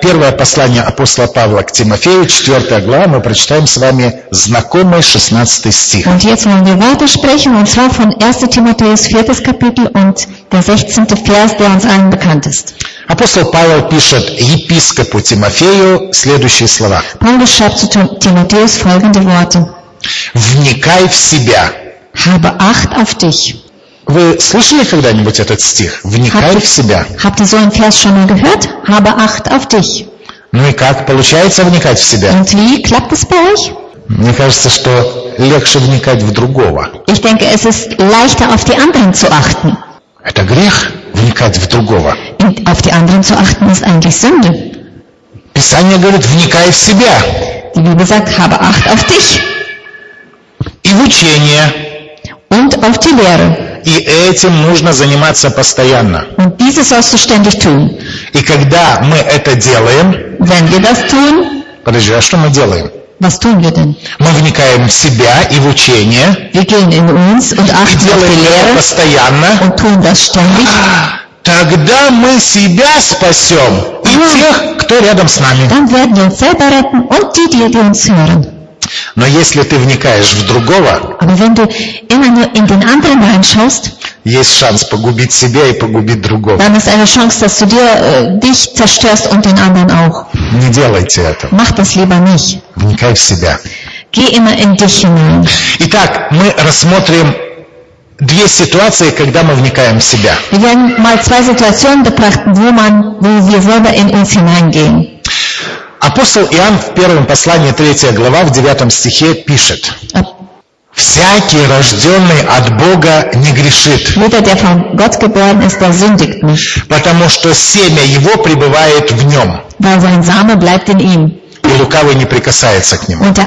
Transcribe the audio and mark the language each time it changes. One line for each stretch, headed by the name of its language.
Russian: Первое послание апостола Павла к Тимофею, 4 глава, мы прочитаем с вами знакомый 16 стих.
German: Und jetzt wollen wir weitersprechen, und zwar von 1. Timotheus 4. Kapitel und der 16. Vers, der uns allen bekannt ist.
Russian: Апостол Павел пишет епископу Тимофею следующие слова.
German: Paulus schreibt zu Timotheus folgende Worte.
Russian: Вникай в себя.
German: Habe acht auf dich.
Russian: Вы слышали когда-нибудь этот стих? Вникай в себя.
German: Habt ihr so einen Vers schon mal gehört? Habe acht auf dich.
Russian: Ну и как получается вникать в себя?
German: Und wie klappt es bei euch?
Russian: Мне кажется, что легче вникать в другого.
German: Ich denke, es ist leichter auf die anderen zu achten.
Russian: Это грех вникать в другого.
German: Und auf die anderen zu achten ist eigentlich Sünde.
Russian: Писание говорит: вникай в себя.
German: Die Bibel sagt: Habe acht auf dich.
Russian: И в учение.
German: Und auf die Lehre.
Russian: И этим нужно заниматься постоянно.
German: Und dieses sollst du ständig tun.
Russian: И когда мы это делаем,
German: Wenn wir das tun,
Russian: подожди, а что мы делаем?
German: Was tun wir denn?
Russian: Мы вникаем в себя и в учение.
German: Wir gehen in uns und achten
Russian: и делаем
German: auf die Lehre,
Russian: постоянно.
German: Und tun das ständig.
Russian: Тогда мы себя спасем и тех, кто рядом с нами.
German: Dann werden wir uns selber retten und die uns hören.
Russian: Но если ты вникаешь в другого,
German: Aber wenn du immer nur in den anderen reinschaust,
Russian: есть шанс погубить себя и погубить другого.
German: Dann ist eine Chance, dass du dich zerstörst und den anderen auch.
Russian: Не делайте этого.
German: Mach das lieber nicht.
Russian: Вникай в себя.
German: Geh immer in dich hinein.
Russian: Итак, мы рассмотрим две ситуации, когда мы вникаем в себя.
German: Wir werden mal zwei Situationen betrachten, wo wir selber in uns hineingehen.
Russian: Апостол Иоанн в первом послании, 3 глава, в 9 стихе пишет: «Всякий, рожденный от Бога, не грешит, потому что семя его пребывает в нем, и лукавый не прикасается к нему».